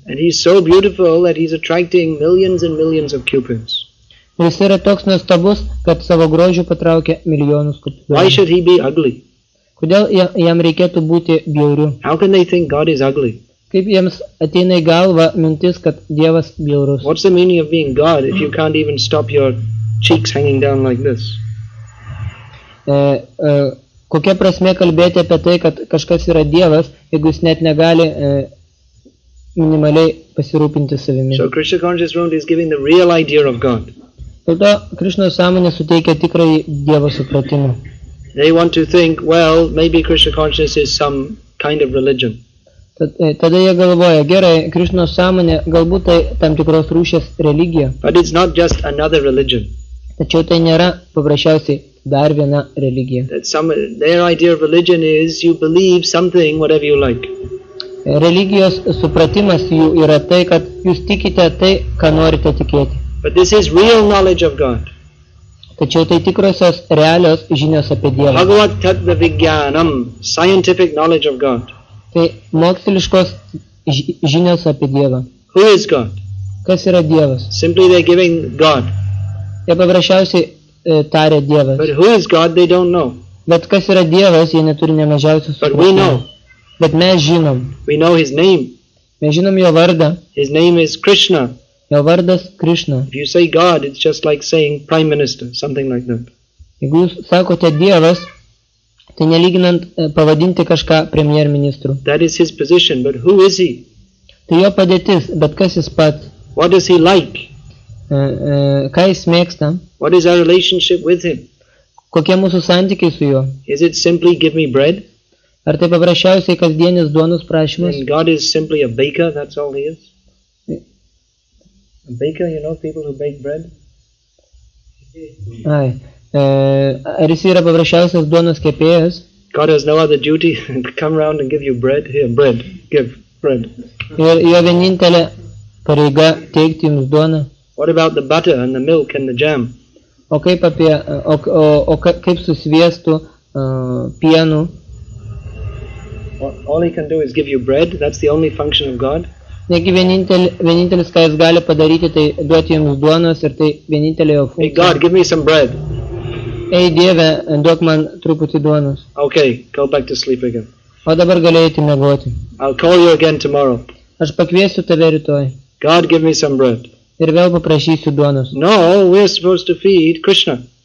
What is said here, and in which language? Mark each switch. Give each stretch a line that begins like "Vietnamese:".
English: And he's so beautiful that he's attracting millions and millions of cupids.
Lithuanian: Jis yra toks nuostabus, kad savo grožiu patraukia milijonus cupidų.
English: Why should he be ugly?
Lithuanian: Kodėl jam reikėtų būti bjauriu?
English: How can they think God is ugly?
Lithuanian: Kaip jiems ateina į galvą mintis, kad Dievas bjaurus?
English: What's the meaning of being God if you can't even stop your cheeks hanging down like this?
Lithuanian: Kokia prasmė kalbėti apie tai, kad kažkas yra Dievas, jeigu jis net negali minimaliai pasirūpinti savimi?
English: So Krishna Consciousness Realm is giving the real idea of God.
Lithuanian: Tai to Krishna sąmonė suteikia tikrai Dievo supratimą.
English: They want to think, well, maybe Krishna consciousness is some kind of religion.
Lithuanian: Tada jie galvoja, gerai, Krishna sąmonė galbūt tai tam tikros rūšės religija.
English: But it's not just another religion.
Lithuanian: Tačiau tai nėra paprasčiausiai dar viena religija.
English: Their idea of religion is you believe something whatever you like.
Lithuanian: Religijos supratimas jų yra tai, kad jūs tikite tai, ką norite tikėti.
English: But this is real knowledge of God.
Lithuanian: Tačiau tai tikrosios realios žinios apie Dievą.
Sanskrit: Bhagavat tatva vijnanam,
English: scientific knowledge of God.
Lithuanian: Tai moksliškos žinios apie Dievą.
English: Who is God?
Lithuanian: Kas yra Dievas?
English: Simply they're giving God.
Lithuanian: Jie paprasčiausiai tarė Dievas.
English: But who is God, they don't know.
Lithuanian: Bet kas yra Dievas, jie neturi nemažiausios supratimo.
English: But we know.
Lithuanian: Bet mes žinom.
English: We know his name.
Lithuanian: Mes žinom jo vardą.
English: His name is Krishna.
Lithuanian: Jo vardas Krishna.
English: If you say God, it's just like saying Prime Minister, something like that.
Lithuanian: Jeigu jūs sakote Dievas, tai nelyginant pavadinti kažką premjer-ministru.
English: That is his position, but who is he?
Lithuanian: Tai jo padėtis, bet kas jis pat?
English: What does he like?
Lithuanian: Ką jis mėgsta?
English: What is our relationship with him?
Lithuanian: Kokie mūsų santykiai su juo?
English: Is it simply give me bread?
Lithuanian: Ar tai paprasčiausiai kasdienis duonos prašymas?
English: And God is simply a baker, that's all he is. A baker, you know, people who bake bread?
Lithuanian: Ai, ar jis yra paprasčiausias duonos kepėjas?
English: God has no other duty to come round and give you bread. Here, bread, give bread.
Lithuanian: Ir jo vienintelė pareiga teikti jums duoną.
English: What about the butter and the milk and the jam?
Lithuanian: O kaip apie, kaip su sviestu, pienu?
English: All he can do is give you bread, that's the only function of God.
Lithuanian: Negi vienintelis, ką jis gali padaryti, tai duoti jums duonos ir tai vienintelė jo funkcija.
English: Hey God, give me some bread.
Lithuanian: Ei Dieve, duok man truputį duonos.
English: Okay, go back to sleep again.
Lithuanian: O dabar gali eiti miegoti.
English: I'll call you again tomorrow.
Lithuanian: Aš pakviesiu tave rytoj.
English: God, give me some bread.
Lithuanian: Ir vėl paprašysiu duonos.
English: No, we are supposed to feed Krishna.